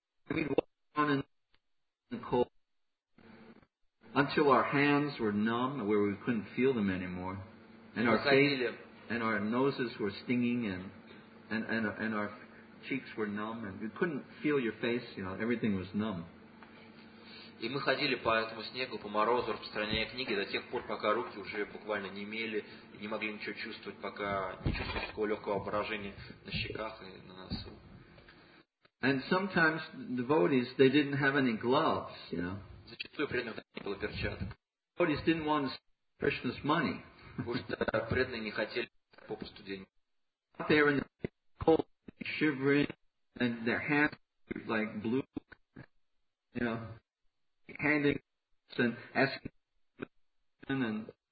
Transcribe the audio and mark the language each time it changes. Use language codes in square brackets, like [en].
[en] We'd walk on in the cold until our hands were numb, where we couldn't feel them anymore, and our face and our noses were stinging, and our cheeks were numb, and you couldn't feel your face. You know, everything was numb. [ru] И мы ходили по этому снегу, по морозу, распространяя книги до тех пор, пока руки уже буквально немели, не могли ничего чувствовать, пока не чувствовали такого легкого обморожения на щеках и на носу. [en] And sometimes devotees, they didn't have any gloves, you know. [ru] Зачастую преданные не было перчаток. [en] Devotees didn't want Krishna's money. [ru] Преданные не хотели попусту денег. [en] Out there in the cold, shivering, and their hands were like blue, you know, handing and asking questions and.